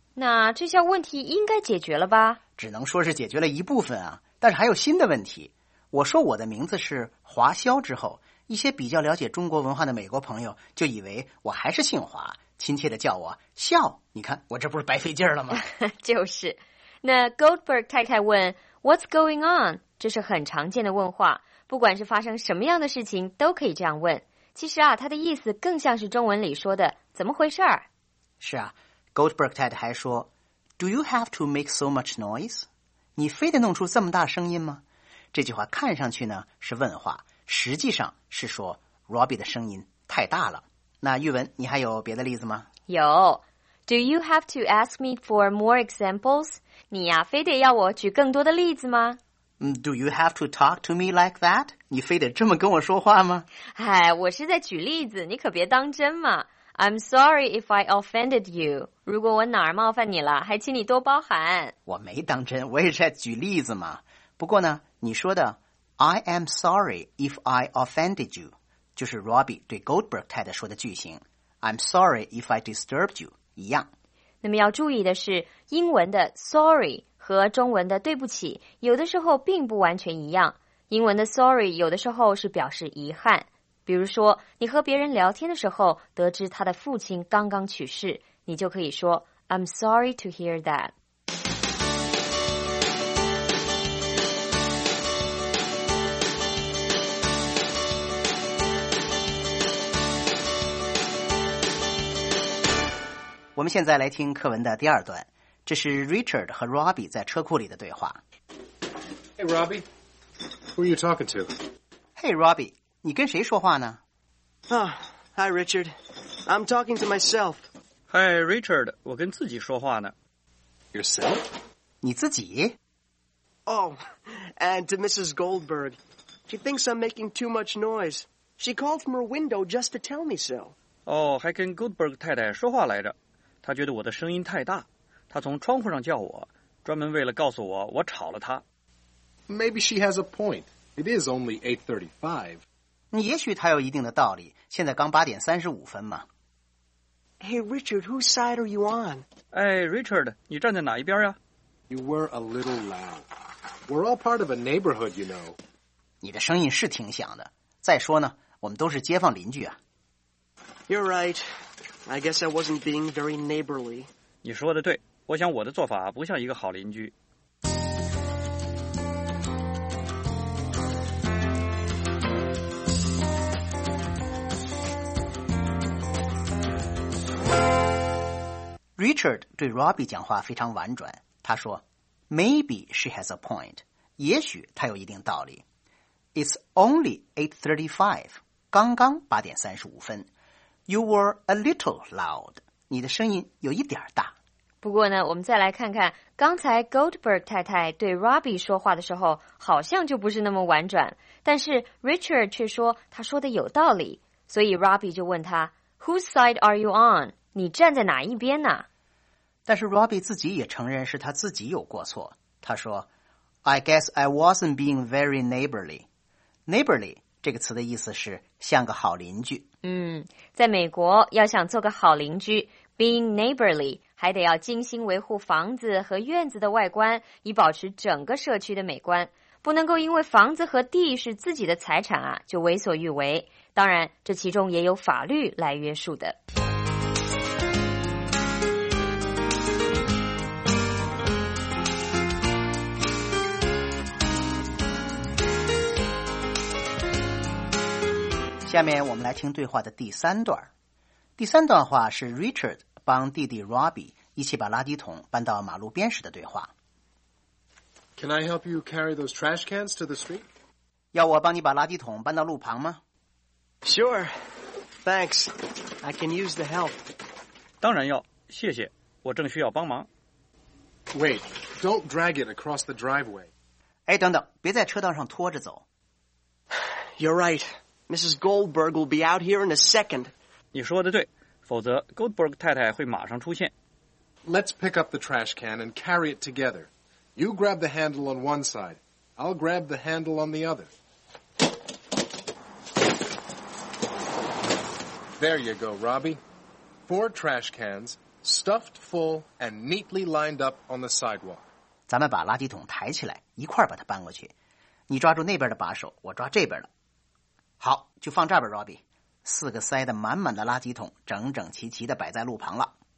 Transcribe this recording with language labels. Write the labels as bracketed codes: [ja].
[zh] 那这项问题应该解决了吧？只能说是解决了一部分啊，但是还有新的问题。我说我的名字是华笑之后，一些比较了解中国文化的美国朋友就以为我还是姓华，亲切地叫我笑。你看我这不是白费劲了吗？就是。那 Goldberg 太太问 [en] What's going on? [zh] 这是很常见的问话，不管是发生什么样的事情都可以这样问。其实啊，他的意思更像是中文里说的怎么回事儿。是啊， Goldberg 太太还说 [en] Do you have to make so much noise? [zh] 你非得弄出这么大声音吗？这句话看上去呢是问话，实际上是说 Robbie 的声音太大了。那玉文，你还有别的例子吗？有。 [en] Do you have to ask me for more examples? [zh] 你呀，非得要我举更多的例子吗？ [en] Do you have to talk to me like that? [zh] 你非得这么跟我说话吗？哎，我是在举例子，你可别当真嘛。 [en] I'm sorry if I offended you. [zh] 如果我哪儿冒犯你了，还请你多包涵。我没当真，我也是在举例子嘛。不过呢，你说的 [en] I am sorry if I offended you [zh] 就是 Robbie 对 Goldberg 太太说的句型， [en] I'm sorry if I disturbed you [zh] 一样。那么要注意的是，英文的 sorry 和中文的对不起有的时候并不完全一样。英文的 sorry 有的时候是表示遗憾，比如说你和别人聊天的时候得知他的父亲刚刚去世，你就可以说 [en] I'm sorry to hear that。 [zh] 我们现在来听课文的第二段，这是 Richard 和 Robbie 在车库里的对话。 [en] Hey Robbie, who are you talking to? Hey Robbie, [zh] 你跟谁说话呢？ [en] Ah, Hi, Richard. I'm talking to myself. [zh] Hi, Richard. 我跟自己说话呢。 [en] Yourself? [zh] 你自己？ [en] Oh, and to Mrs. Goldberg. She thinks I'm making too much noise. She called from her window just to tell me so. [zh] 哦，还跟 Goldberg 太太说话来着。她觉得我的声音太大。她从窗户上叫我，专门为了告诉我我吵了她。 [en] Maybe she has a point. It is only 8:35. [zh] 也许他有一定的道理，现在刚8:35嘛。 [en] Hey, Richard, whose side are you on? [zh] Hey, Richard, 你站在哪一边呀？ [en] You were a little loud. We're all part of a neighborhood, you know. [zh] 你的声音是挺响的。再说呢，我们都是街坊邻居啊。 [en] You're right. I guess I wasn't being very neighborly. [zh] 你说的对，我想我的做法不像一个好邻居。 Richard 对 Robbie 讲话非常婉转，他说 [en] Maybe she has a point. [zh] 也许她有一定道理。 [en] It's only 8:35. [zh] 刚刚8:35。 [en] You were a little loud. [zh] 你的声音有一点大。不过呢，我们再来看看刚才 Goldberg 太太对 Robbie 说话的时候好像就不是那么婉转，但是 Richard 却说他说的有道理，所以 Robbie 就问他 [en] Whose side are you on? [zh] 你站在哪一边呢？但是 Robbie 自己也承认是他自己有过错。他说 [en] I guess I wasn't being very neighborly. [zh] Neighborly 这个词的意思是像个好邻居。在美国要想做个好邻居， [en] being neighborly [zh] 还得要精心维护房子和院子的外观，以保持整个社区的美观。不能够因为房子和地是自己的财产啊，就为所欲为。当然，这其中也有法律来约束的。下面我们来听对话的第三段。第三段话是 Richard 帮弟弟 Robbie 一起把垃圾桶搬到马路边时的对话。 [en] Can I help you carry those trash cans to the street? [zh] 要我帮你把垃圾桶搬到路旁吗？ [en] Sure. Thanks. I can use the help. [zh] 当然要，谢谢，我正需要帮忙。 [en] Wait, don't drag it across the driveway. [zh] 哎，等等，别在车道上拖着走。 [en] You're right. Mrs. Goldberg will be out here in a second. [zh] 你说的对，否则 Goldberg 太太会马上出现。 [en] Let's pick up the trash can and carry it together. You grab the handle on one side. I'll grab the handle on the other. There you go, Robbie. 4 trash cans, stuffed full and neatly lined up on the sidewalk. [zh] 咱们把垃圾桶抬起来，一块把它搬过去。你抓住那边的把手，我抓这边的。好，就放这儿吧 ，Robbie。四个塞得满满的垃圾桶，整整齐齐地摆在路旁了。